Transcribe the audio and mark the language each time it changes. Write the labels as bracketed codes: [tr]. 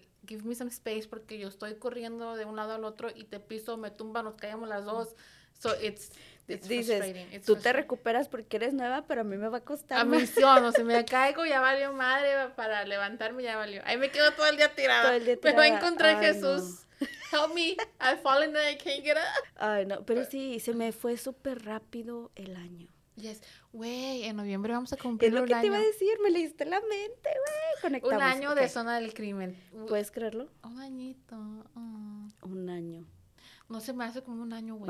[en] give me some space, [es] porque yo estoy corriendo de un lado al otro y te piso, me tumba, nos caemos las dos. [en] So it's [es] dices, [en] it's [es] tú te recuperas porque eres nueva, pero a mí me va a costar. A mí sí, o sea, me caigo, ya valió madre, para levantarme ya valió. Ahí me quedo todo el día tirada. Todo el día tirada. Me va a encontrar Jesús. No. [en] Help me, I've fallen and I can't get up. [es] Ay, no, pero sí, se me fue súper rápido el año. Yes, güey, en noviembre vamos a cumplir un año. Es lo que año. Te iba a decir, me leíste la mente, güey. Conectamos. Un año, okay. De Zona del Crimen. ¿Puedes creerlo? Un añito. Un año. No se me hace como un año, güey.